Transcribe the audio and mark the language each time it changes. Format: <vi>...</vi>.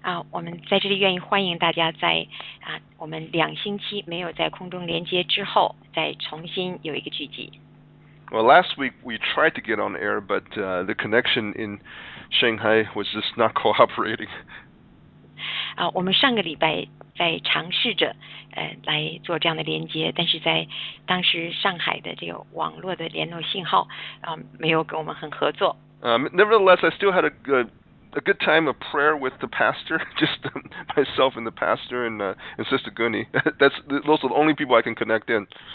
<zh>我们在这里愿意欢迎大家在我们两星期没有在空中连接之后再重新有一个聚集。</zh> <en>Well, last week we tried to get on air, but the connection in Shanghai was just not cooperating.</en> <zh>我们上个礼拜在尝试着来做这样的连接，但是在当时上海的这个网络的联络信号没有跟我们很合作。</zh> <en>Nevertheless, I still had a good time of prayer with the pastor, just myself and the pastor and Sister Gunny. Those are the only people I can connect in.</en>